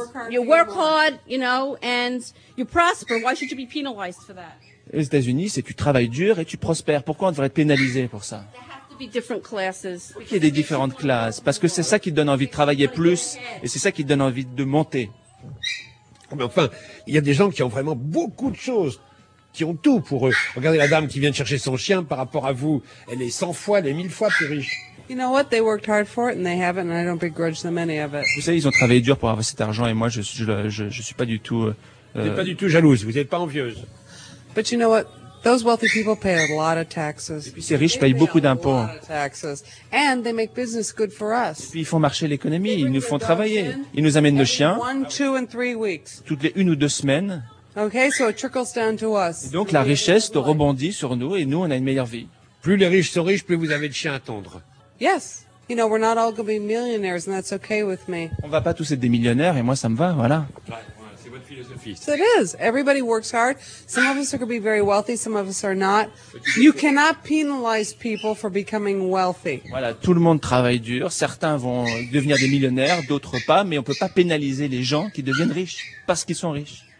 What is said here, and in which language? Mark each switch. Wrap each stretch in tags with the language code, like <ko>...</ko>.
<en>You work hard, you know, and you prosper. Why should you be penalized for that?</en> <fr>Les États-Unis, c'est tu travailles dur et tu prospères. Pourquoi on devrait être pénalisé pour ça? Il y a des différentes classes, parce que c'est ça qui te donne envie de travailler plus, et c'est ça qui te donne envie de monter. Mais enfin, il y a des gens qui ont vraiment beaucoup de choses, qui ont tout pour eux. Regardez la dame qui vient de chercher son chien par rapport à vous. Elle est 100 fois, elle est 1000 fois plus riche.</fr> <en>You know what? They worked hard for it, and they haven't, and I don't begrudge them any of it.</en> <fr>Vous savez, ils ont travaillé dur pour avoir cet argent, et moi, je suis pas du tout... Vous n'êtes pas du tout jalouse, vous n'êtes pas envieuse.</fr> <en>But you know what? Those wealthy people pay a lot of taxes.</en> <fr>Et puis ces riches payent beaucoup d'impôts.</fr> <en>And they make business good for us.</en> <fr>Et puis ils font marcher l'économie, ils nous font travailler. Ils nous amènent nos chiens.</fr> <en>One, two and three weeks.</en> <fr>Toutes les une ou deux semaines.</fr> <en>Okay, so it trickles down to us.</en> <fr>Et donc la richesse rebondit sur nous et nous on a une meilleure vie. Plus les riches sont riches, plus vous avez de chiens à tondre.</fr> <en>Yes. You know, we're not all going to be millionaires and that's okay with me.</en> <fr>On va pas tous être des millionnaires et moi ça me va, voilà.</fr> <en>So it is. Everybody works hard. Some of us are going to be very wealthy, some of us are not. You cannot penalize people for becoming wealthy.</en> <fr>Voilà, tout le monde travaille dur. Certains vont devenir des millionnaires, d'autres pas, mais on peut pas pénaliser les gens qui deviennent riches parce qu'ils sont riches.</fr>